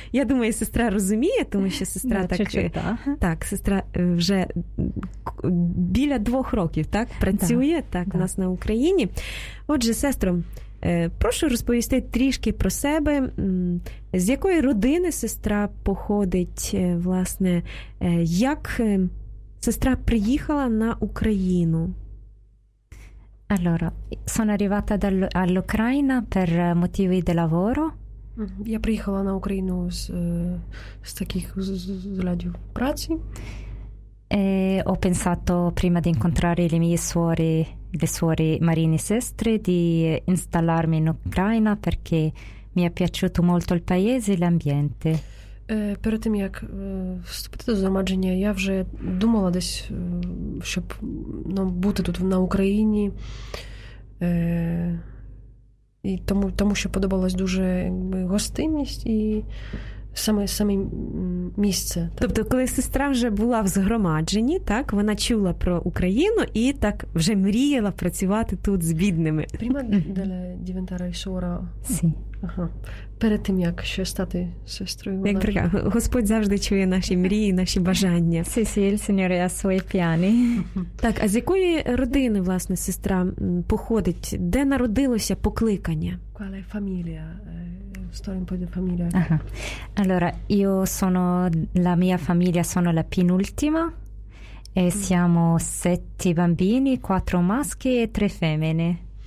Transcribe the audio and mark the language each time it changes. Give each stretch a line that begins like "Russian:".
Ukrainian: Я думаю, сестра розуміє, тому що сестра так... Так, сестра вже біля 2 років, так, працює, так, у нас на Україні. Отже, сестро, прошу розповісти трішки про себе. З якої родини сестра походить, власне, як сестра приїхала на Україну?
Italian: Allora, sono arrivata all'Ucraina per motivi di lavoro.
Ukrainian: Я приїхала на Україну з таких зладів праці.
Italian: E ho pensato, prima di incontrare le mie suore, le suore Marini Sestre, di installarmi in Ucraina perché mi è piaciuto molto il paese e l'ambiente.
Ukrainian: Перед тим, як вступити до згромадження, я вже думала десь, щоб бути тут на Україні, і тому що подобалась дуже гостинність і саме місце. Тобто, коли сестра вже була в згромадженні, так, вона чула про Україну і так вже мріяла працювати тут з бідними.
Italian: Prima della diventare suora. Sì. Ага.
Ukrainian: Перед тим, як ще стати сестрою. Як вона... Господь завжди чує наші мрії, наші бажання.
Italian: Sì, sì, il signore ha suoi piani.
Ukrainian: Так, а з якої родини, власне, сестра походить? Де народилося покликання?
Italian: Quale famiglia? Storia un po' di famiglia. Ага. Allora, io sono, la mia famiglia sono la penultima e siamo 7 bambini, 4 maschi e 3 femmine.